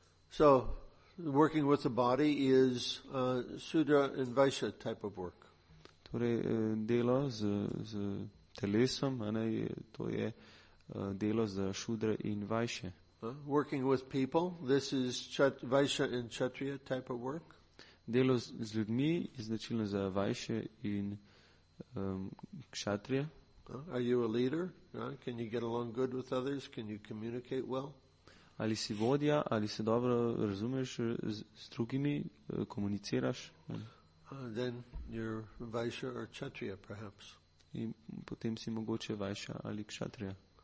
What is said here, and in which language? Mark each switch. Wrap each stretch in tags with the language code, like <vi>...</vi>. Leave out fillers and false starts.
<en>So working with the body is sudra and vaisha type of work.</en> <sl>Torej delo z telesom, to je delo za šudre in vajše.</sl> <en>Working with people, this is vaisha and kshatriya type of work.</en> <sl>Delo z ljudmi je značilno za vajše in kshatriya.</sl> <en>Are you a leader? Can you get along good with others? Can you communicate well?</en> <sl>Ali si vodja, ali se dobro razumeš z drugimi, komuniciraš?</sl> <en>Then you're vaisha or kshatriya perhaps.</en> <sl>In potem si mogoče vaisha ali kshatriya.</sl>